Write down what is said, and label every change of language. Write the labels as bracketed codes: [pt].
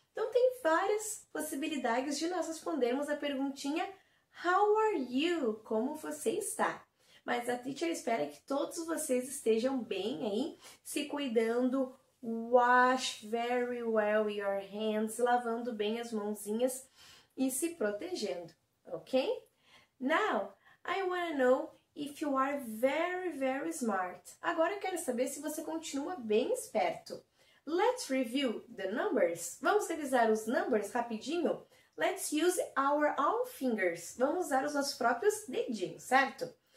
[pt] Então tem várias possibilidades de nós respondermos a perguntinha [en] How are you? [pt] Como você está? Mas a teacher espera que todos vocês estejam bem aí, se cuidando, [en] wash very well your hands, [pt] lavando bem as mãozinhas e se protegendo, ok? [en] Now, I want to know if you are very, very smart. [pt] Agora eu quero saber se você continua bem esperto. [en] Let's review the numbers. [pt] Vamos revisar os numbers rapidinho? [en] Let's use our own fingers. [pt] Vamos usar os nossos próprios dedinhos, certo?